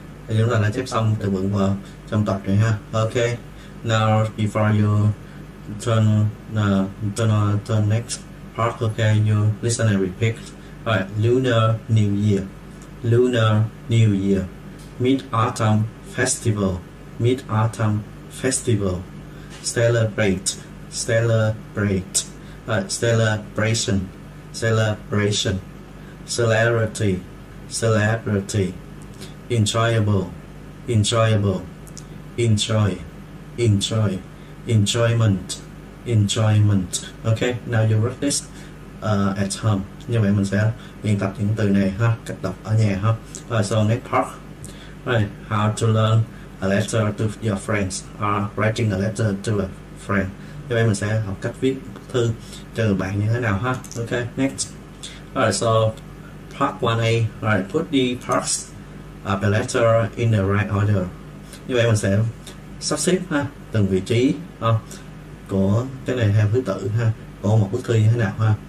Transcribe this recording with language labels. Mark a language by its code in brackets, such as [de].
[vi] Thì chúng ta đã chép xong từ vựng vào trong tập này ha. [en] Ok, now before you turn next part, ok, you listen and repeat. Alright, Lunar New Year. Lunar New Year. Mid-Autumn Festival. Mid-Autumn Festival. Celebrate. Celebrate. Celebration. Celebration. Celerity. Celebrity. Enjoyable. Enjoyable. Enjoy. Enjoy. Enjoyment. Enjoyment. Ok, now you write this at home. [vi] Như vậy mình sẽ luyện tập những từ này ha, cách đọc ở nhà ha. [en] Alright, so next part. Alright, how to learn a letter to your friends. Writing a letter to a friend. [vi] Như vậy mình sẽ học cách viết thư cho bạn như thế nào ha. Ok, next. [en] Alright, so part 1A. Alright, put the parts of the letter in the right order. [vi] Như vậy mình sẽ sắp xếp ha, từng vị trí của cái này theo thứ tự ha, của một bức thư như thế nào ha.